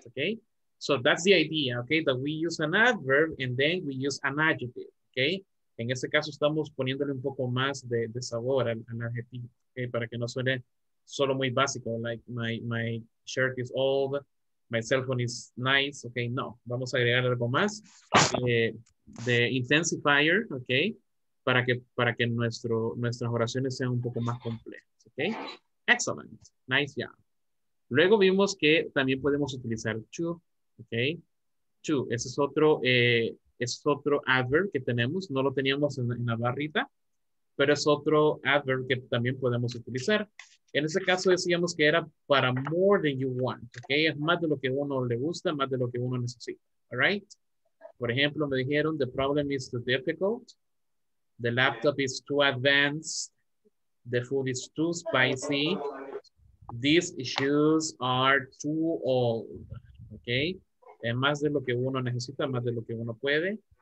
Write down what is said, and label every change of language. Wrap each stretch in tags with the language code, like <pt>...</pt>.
<en>Okay, so that's the idea, okay, that we use an adverb and then we use an adjective, okay?</en> <es>En este caso estamos poniéndole un poco más de sabor al adjetivo, okay, para que no suene solo muy básico,</es> <en>like my shirt is old, my cell phone is nice,</en> <es>okay, no, vamos a agregar algo más, de intensifier, okay, para que nuestras oraciones sean un poco más complejas, okay,</es> <en>excellent, nice job.</en> <es>Luego vimos que también podemos utilizar to, okay, to, ese es otro adverb que tenemos, no lo teníamos en la barrita, pero es otro adverb que también podemos utilizar. En ese caso decíamos que era para</es> <en>more than you want,</en> <es>okay? Es más de lo que uno le gusta, más de lo que uno necesita,</es> <en>all right?</en> <es>Por ejemplo, me dijeron,</es> <en>the problem is too difficult, the laptop is too advanced, the food is too spicy, these issues are too old, okay?</en> <es>Es más de lo que uno necesita, más de lo que uno puede.</es>